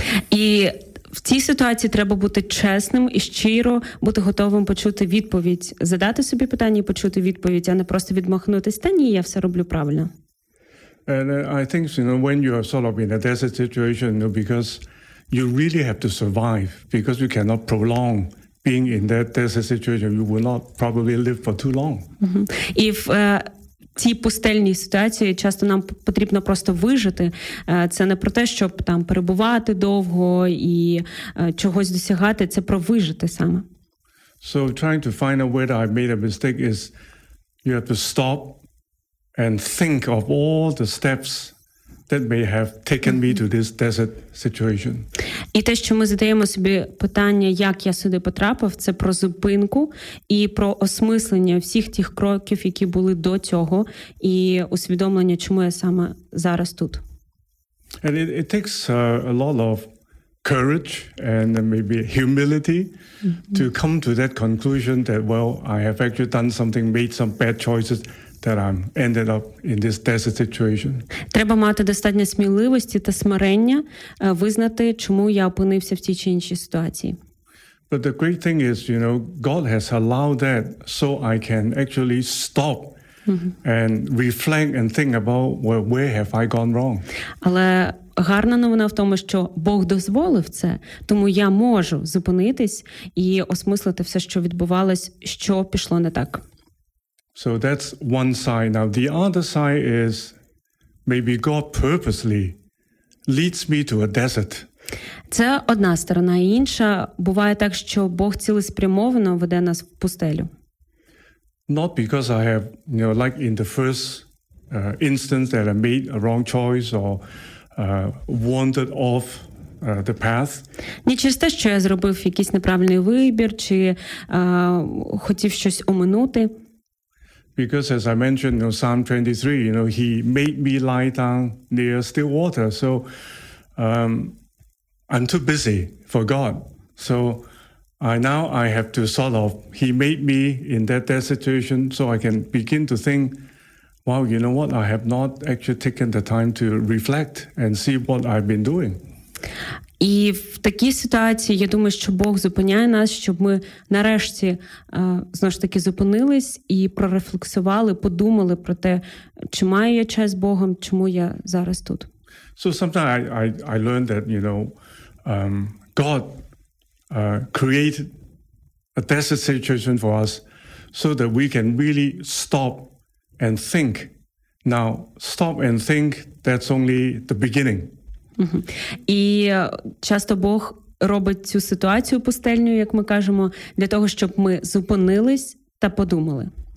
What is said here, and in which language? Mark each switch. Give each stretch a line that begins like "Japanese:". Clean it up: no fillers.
Ukrainian: І в цій ситуації треба бути чесним і щиро, бути готовим почути відповідь, задати собі питання і почути відповідь, а не просто відмахнутися. Та ні, я все роблю правильно.
English: And I think, you know, when you are sort of in a desert situation, you know, because you really have to survive, because you cannot prolong being in that desert situation, you will not probably live for too long.
Ukrainian: І в цій пустельній ситуації часто нам потрібно просто вижити. Це не про те, щоб там перебувати довго і чогось досягати, це про вижити саме.
English: So trying to find out whether I made a mistake is you have to stop and think of all the steps that may have taken me to this desert situation.
Ukrainian: І те, що ми задаємо собі питання, як я сюди потрапив, це про зупинку і про осмислення всіх тих кроків, які були до цього, і усвідомлення, чому я саме зараз тут.
English: And it takes a lot of courage and maybe humility to come to that conclusion that, well, I have actually done something, made some bad choices, that I'm ended up in this desert situation.
Ukrainian: Треба мати достатньо сміливості та смирення визнати, чому я опинився в тій чи іншій ситуації.
English: But the great thing is, you know, God has allowed that so I can actually stop and reflect and think about where have I gone wrong.
Ukrainian: Але гарна новина в тому, що Бог дозволив це, тому я можу зупинитись і осмислити все, що відбувалось, що пішло не так.
English: So that's one side. Now the other side is maybe God purposely leads me to a desert.
Ukrainian: Це одна сторона, і інша буває так, що Бог цілеспрямовано веде нас в пустелю.
English: Not because I have, you know, like in the first instance that I made a wrong choice or wandered off the path.
Ukrainian: Не через те, що я зробив якийсь неправильний вибір чи хотів щось оминути.
English: Because as I mentioned in Psalm 23, you know, he made me lie down near still water. So I'm too busy for God. So I have to sort of, he made me in that situation so I can begin to think, wow, you know what, I have not actually taken the time to reflect and see what I've been doing.
Ukrainian: І в такій ситуації, я думаю, що Бог зупиняє нас, щоб ми нарешті, знову ж таки, зупинились і прорефлексували, подумали про те, чи маю я честь з Богом, чому я зараз тут.
English: So sometimes I learned that, you know, God created a desert situation for us so that we can really stop and think. Now, stop and think, that's only the beginning.
Ukrainian: І часто Бог робить цю ситуацію пустельню, як ми кажемо, для того, щоб ми зупинились та подумали.